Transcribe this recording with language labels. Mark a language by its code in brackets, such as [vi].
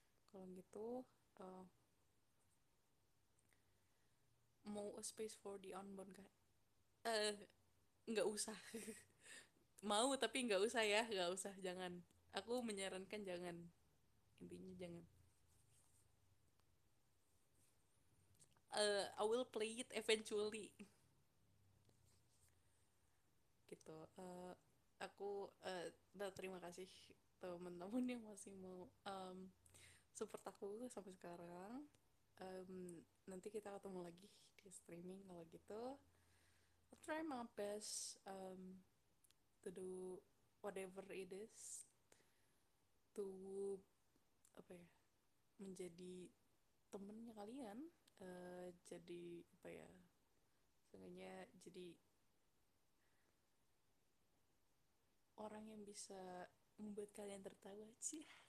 [id] Kalau gitu, mau a space for the unborn guy? Nggak usah. Mau tapi nggak usah ya, nggak usah, jangan. Aku menyarankan jangan. Intinya jangan. [en] I will play it eventually. [id] Gitu. Aku udah terima kasih teman-teman yang masih mau support aku sampai sekarang. Nanti kita ketemu lagi di streaming kalau gitu. [en] I'll try my best to do whatever it is to [id] apa ya, menjadi temennya kalian, jadi apa ya, seenggaknya jadi orang yang bisa membuat kalian tertawa sih.